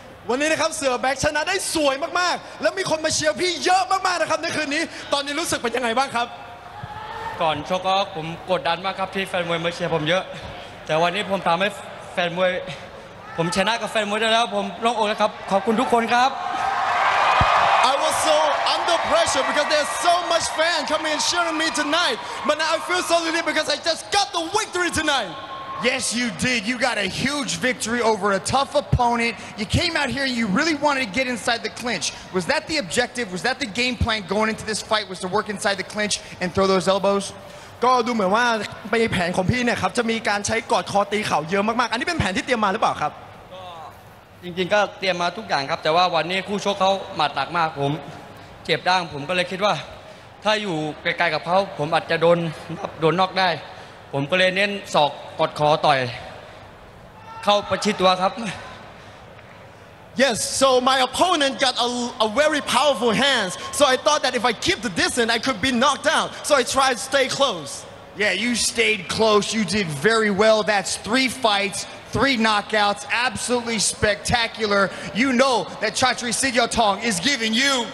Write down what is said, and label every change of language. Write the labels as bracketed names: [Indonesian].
[Thai] วันนี้นะครับเสือแบ็กชนะได้สวยมากๆและมีคนมาเชียร์พี่เยอะมากๆนะครับในคืนนี้ตอนนี้รู้สึกเป็นยังไงบ้างครับ ก่อนชกก็ผมกดดันมากครับที่แฟนมวยมาเชียร์ผมเยอะแต่วันนี้ผมทำให้แฟนมวยผมชนะกับแฟนมวยได้แล้วผมโล่งอกแล้วครับขอบคุณทุกคนครับ [English] I was so I'm the pressure because there's so much fan coming and cheering me tonight. But now I feel so relieved because I just got the victory tonight. Yes, you did. You got a huge victory over a tough opponent. You came out here and you really wanted to get inside the clinch. Was that the objective? Was that the game plan going into this fight, was to work inside the clinch and throw those elbows? [Thai] ก็ดูเหมือนว่าในแผนของพี่เนี่ยครับจะมีการใช้กอดคอตีเข่าเยอะมากๆอันนี้เป็นแผนที่เตรียมมาหรือเปล่าครับ ก็จริงๆก็เตรียมมาทุกอย่างครับแต่ว่าวันนี้คู่ชกเขาหมัดหนักมากผมเจ็บด้างผมก็เลยคิดว่าถ้าอยู่ไกลๆกับเขาผมอาจจะโดนน็อกได้ผมก็เลยเน้นศอกกอดคอต่อยเข้าประชิดตัวครับ [English] Yes so my opponent got a very powerful hands so I thought that if I keep the distance I could be knocked out so I tried to stay close Yeah you stayed close you did very well that's 3 fights 3 knockouts absolutely spectacular you know that Chatri Siddhartong is giving you